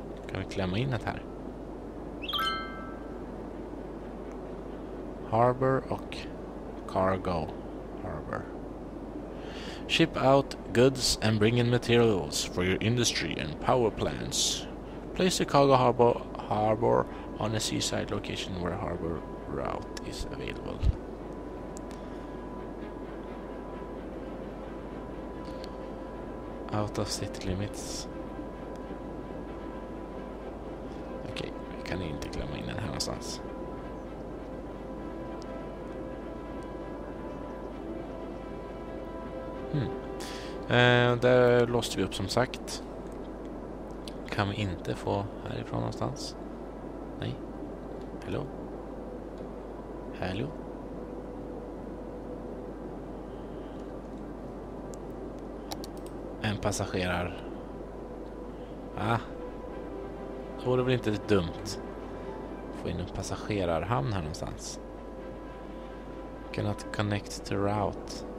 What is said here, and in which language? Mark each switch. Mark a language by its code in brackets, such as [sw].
[sv] Kan vi klämma in det här? [en] Harbor och cargo harbor. Ship out goods and bring in materials for your industry and power plants. Place the cargo harbor on a seaside location where harbor route is available. Out of city limits. [sv] Okej, vi kan inte klämma in den här någonstans. Där låste vi upp som sagt. Kan vi inte få härifrån någonstans? Nej. Hallå? Hallå? En passagerar. Det vore väl inte dumt. Få in en passagerarhamn här någonstans. [en] Cannot connect to route.